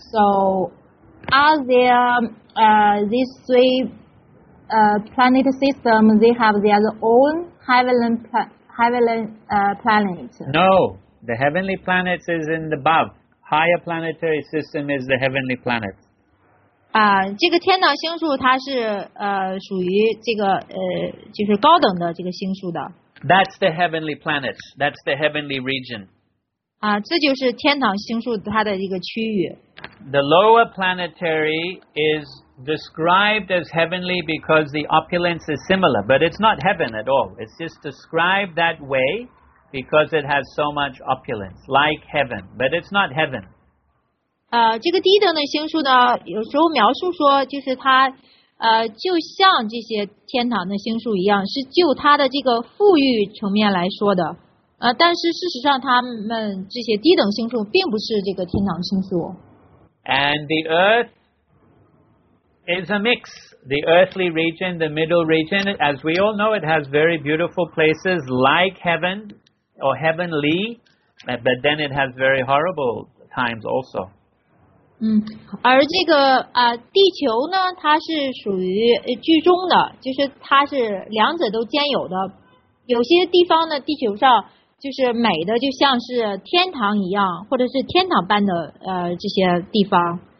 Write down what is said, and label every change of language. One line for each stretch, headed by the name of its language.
English: So, are there these three planet system, they have their own heavenly planet? No, the heavenly planets is in the above. Higher planetary system is the heavenly planet.
Chinese: 这个天堂星宿它是属于这个就是高等的这个星宿的。
English: That's the heavenly planet. That's the heavenly region.
Chinese: 这就是天堂星宿它的一个区域。
English: The lower planetary is described as heavenly because the opulence is similar, but it's not heaven at all. It's just described that way because it has so much opulence, like heaven, but it's not heaven.
Chinese: 这个低等的星宿呢，有时候描述说就是它。就像这些天堂的星宿一样，是就它的这个富裕层面来说的。但是事实上，他们这些低等星宿并不是这个天堂星宿。
English: And the Earth is a mix. The earthly region, the middle region, as we all know, it has very beautiful places like heaven or heavenly, but then it has very horrible times also.
Chinese: 而这个地球呢，它是属于居中的，就是它是两者都兼有的。有些地方呢，地球上就是美的就像是天堂一样，或者是天堂般的这些地方。